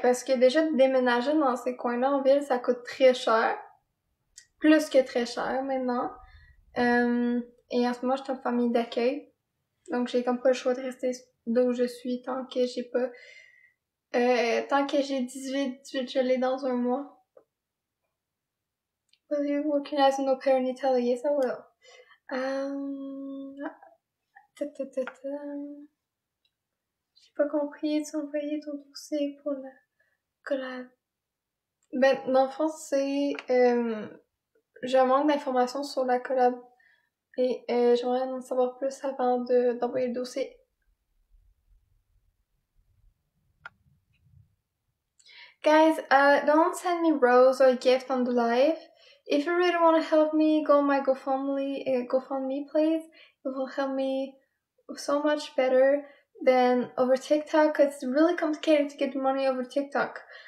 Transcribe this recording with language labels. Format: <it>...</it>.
<fr>Parce que déjà, déménager dans ces coins-là en ville, ça coûte très cher. Plus que très cher maintenant. Et en ce moment, je suis en famille d'accueil. Donc, j'ai comme pas le choix de rester d'où je suis tant que j'ai pas. Tant que j'ai 18, je l'ai dans un mois.</fr> <en>Will you work as an au pair in Italy? Yes, I will.</en> <fr>J'ai pas compris. Tu as envoyé ton dossier pour la collab. Ben, dans le fond, c'est. J'ai un manque d'informations sur la collab. Et j'aimerais en savoir plus avant d'envoyer le dossier. Ok,</fr> <en>Guys, don't send me rose or gift on the live. If you really want to help me, go on my GoFundMe, please. It will help me so much better than over TikTok, because it's really complicated to get money over TikTok.</en>